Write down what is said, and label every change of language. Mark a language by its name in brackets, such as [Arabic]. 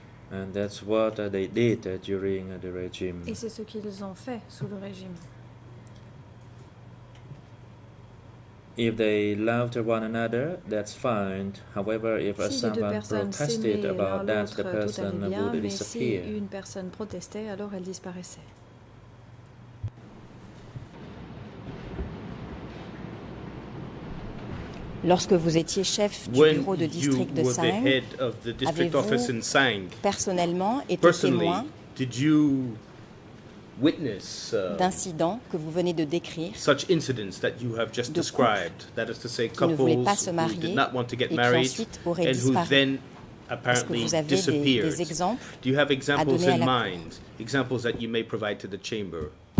[English] And that's what they did during the regime. [French] Et c'est ce qu'ils ont fait sous le régime. [English] If they loved one another, that's fine. However, if someone protested about that, the person would disappear. [French] Si une personne protestait, alors elle disparaissait. Lorsque vous étiez chef du bureau de district de Soeun, avez-vous personnellement été témoin d'incidents que vous venez de décrire, [English] such incidents that you have just described, that is to say, couples who did not want to get married and who then apparently disappeared? Do you have examples in mind, examples that you may provide to the chamber?